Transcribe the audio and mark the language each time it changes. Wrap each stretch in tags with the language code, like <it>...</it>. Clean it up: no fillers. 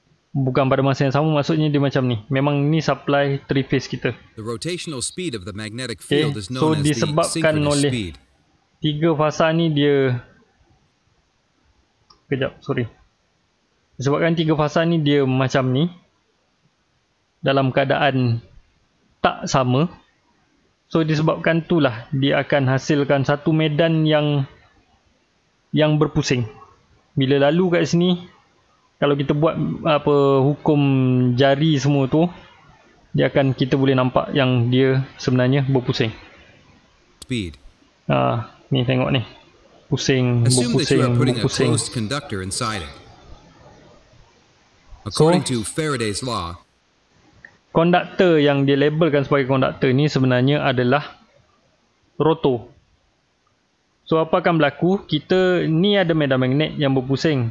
<ms>Bukan pada masa yang sama, maksudnya dia macam ni. Memang ni supply three phase kita.</ms> <en>The rotational speed of the magnetic field is known as the synchronous speed.</en> <ms>Tiga fasa ni dia. Kejap, sorry. Disebabkan tiga fasa ni dia macam ni, dalam keadaan tak sama. So disebabkan itulah dia akan hasilkan satu medan yang berpusing. Bila lalu kat sini, kalau kita buat apa hukum jari semua tu, dia akan, kita boleh nampak yang dia sebenarnya berpusing.</ms> <en>Speed.</en> <ms>Ni tengok ni. Pusing, berpusing, berpusing.</ms> <en>Assume that you are putting a closed conductor inside it. According to Faraday's law,</en> <ms>konduktor yang dia labelkan sebagai konduktor ni sebenarnya adalah rotor. So apa akan berlaku? Kita ni ada medan magnet yang berpusing.</ms>